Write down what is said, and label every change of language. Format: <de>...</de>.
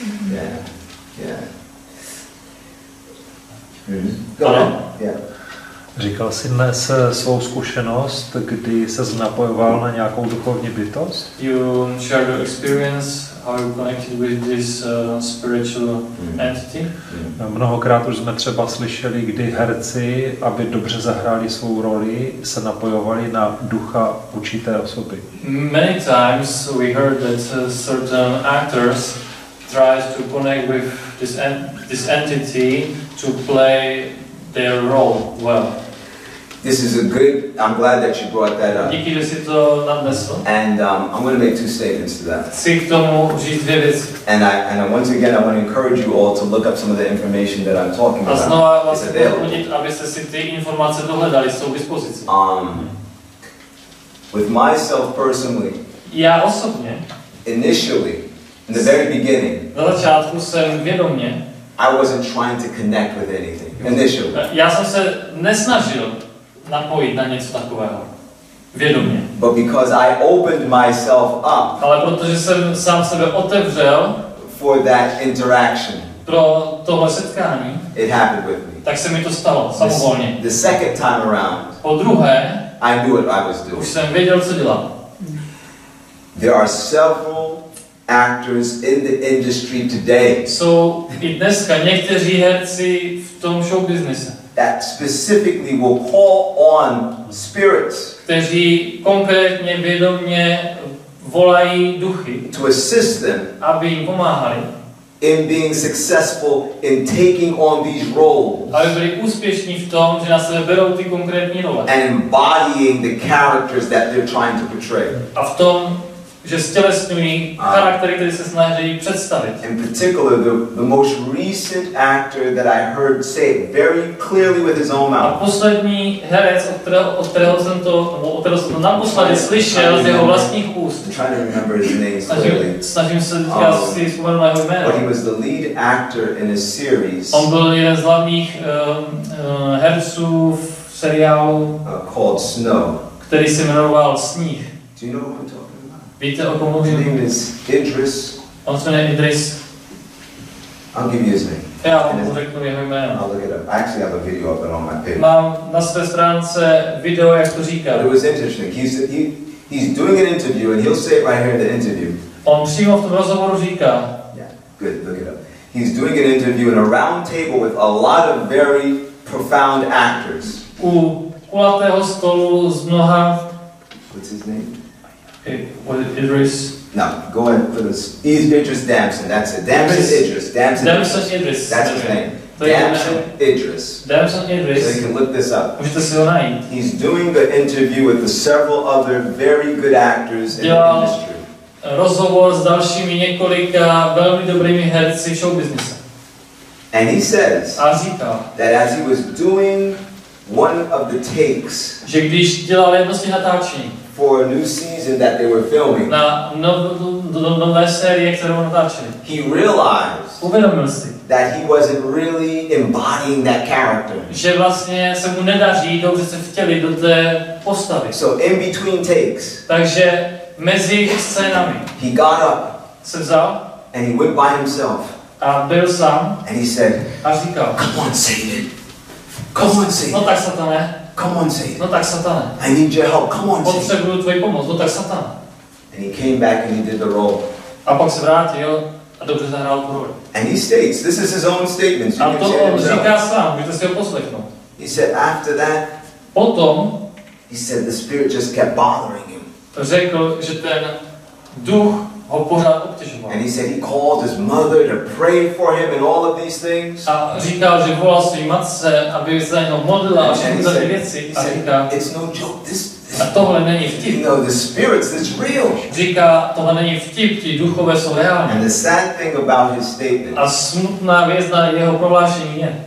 <en>Yeah. Yeah.</en> <cs>Ano.</cs> <en>Yeah.</en> <cs>Říkal jsi dnes svou zkušenost, kdy ses napojoval na nějakou duchovní bytost?</cs> <en>You shared your experience, how you connected with this spiritual entity.</en> <cs>Mnohokrát už jsme třeba slyšeli, kdy herci, aby dobře zahráli svou roli, se napojovali na ducha určité osoby.</cs> <en>Many times we heard that certain actors try to connect with this entity to play their role well. This is a good, I'm glad that you brought that up.</en> <cs>Díky, že jsi to nadnesl.</cs> <en>And I'm going to make two statements to that.</en> <cs>Chci k tomu říct dvě věci.</cs> <en>And once again, I want to encourage you all to look up some of the information that I'm talking about.</en> <cs>A znova vás pozbudit, abyste si ty informace dohledali, jsou k dispozici.</cs> <en>With myself personally.</en> <cs>Já osobně.</cs> <en>Initially, in the very beginning.</en> <cs>Na začátku jsem vědomně.</cs> <en>I wasn't trying to connect with anything, initially.</en> <cs>Já jsem se nesnažil napojit na něco takového vědomě.</cs> <en>But because I opened myself up.</en> <cs>Ale protože jsem sám sebe otevřel</cs> <en>for that interaction.</en> <cs>Pro tohle setkání.</cs> <en>It happened with me.</en> <cs>Tak se mi to stalo samovolně.</cs> <en>The second time around.</en> <cs>Po druhé.</cs> <en>I knew what I was doing.</en> <cs>Už jsem věděl, co dělám.</cs> <en>There are several actors in the industry today.</en> <cs>So i dneska někteří herci v tom show businessu.</cs> <en>That specifically will call on spirits.</en> <cs>Kteří konkrétně vědomě volají duchy.</cs> <en>To assist them.</en> <cs>Aby jim pomáhali.</cs> <en>In being successful in taking on these roles.</en> <cs>Aby byli úspěšní v tom, že na sebe berou ty konkrétní role.</cs> <en>And embodying the characters that they're trying to portray.</en> <cs>A v tom, že stělesňují charaktery, které se snaží představit.</cs> <en>In particular, the most recent actor that I heard say very clearly with his own mouth.</en> <cs>A poslední herec, od kterého jsem to, nebo od kterého jsem to naposledy slyšel z jeho vlastních úst.</cs> <en>Trying to remember his name clearly.</en> <cs>Snažím se teďka si vzpomenout jeho jméno.</cs> <en>But he was the lead actor in a series.</en> <cs>On byl jeden z hlavních herců v seriálu.</cs> <en>Called Snow.</en> <cs>Který se jmenoval Sníh.</cs> <en>Do you know who I'm talking?</en> <cs>Víte, o komu mluvím?</cs> <en>His name is Idris.</en> <cs>On se jmenuje Idris.</cs> <en>I'll give you his name.</en> <cs>Já mu řeknu jeho jméno.</cs> <en>I'll look it up. I actually have a video up on my page.</en> <cs>Mám na své stránce video, jak to říká.</cs> <en>It was interesting. He's doing an interview and he'll say it right here in the interview.</en> <cs>On přímo v tom rozhovoru říká.</cs> <en>Yeah, good, look it up. He's doing an interview in a round table with a lot of very profound actors.</en> <cs>U kulatého stolu s mnoha.</cs> <en>What's his name? Was it Idris? No, go ahead for this. Idris Damson, that's it. Damson Idris. That's his name. Damson Idris. So you can look this up.</en> <cs>Už to si ho najít.</cs> <en>He's doing the interview with the several other very good actors in the industry.</en> <cs>Rozhovor s dalšími několika velmi dobrými herci show businessu.</cs> <en>And he says</en> <cs>a říkal,</cs> <en>that as he was doing one of the takes,</en> <cs>že když dělal jedno z těch natáčení</cs> <en>for a new season that they were filming,</en> <cs>na nové série, kterou natáčeli,</cs> <en>he realized,</en> <cs>uvědomil si,</cs> <en>that he wasn't really embodying that character.</en> <cs>Že vlastně se mu nedaří dobře se vtělit do té postavy.</cs> <en>So in between takes,</en> <cs>takže mezi scénami,</cs> <en>he got up,</en> <cs>se vzal,</cs> <en>and he went by himself.</en> <cs>A byl sám.</cs> <en>And he said,</en> <cs>a říkal,</cs> <en>come on, Satan. Come on, Satan.</en> <cs>No tak, Satane.</cs> <en>Come on, Satan.</en> <cs>No tak, Satane.</cs> <en>I need your help. Come on, Satan.</en> <cs>Potřebuju tvoji pomoc. No tak, Satane.</cs> <en>And he came back and he did the role.</en> <cs>A pak se vrátil a dobře zahrál tu roli.</cs> <en>And he states, this is his own statement.</en> <cs>A to on říká sám, můžete si ho poslechnout.</cs> <en>He said, after that,</en> <cs>potom,</cs> <en>he said, the spirit just kept bothering him.</en> <cs>Řekl, že ten duch ho pořád obtěžoval.</cs> <en>And he said he called his mother to pray for him and all of these things.</en> <cs>A říkal, že volal svojí matce, aby se za něho modlila a všechny tady věci. A říká,</cs> <en>it's no joke. This</en> <cs>a tohle není vtip.</cs> <en>You know, the spirits, it's real.</en> <cs>Říká, tohle není vtip, ti duchové jsou reální.</cs> <en>And the sad thing about his statement,</en> <cs>a smutná věc na jeho prohlášení je,</cs>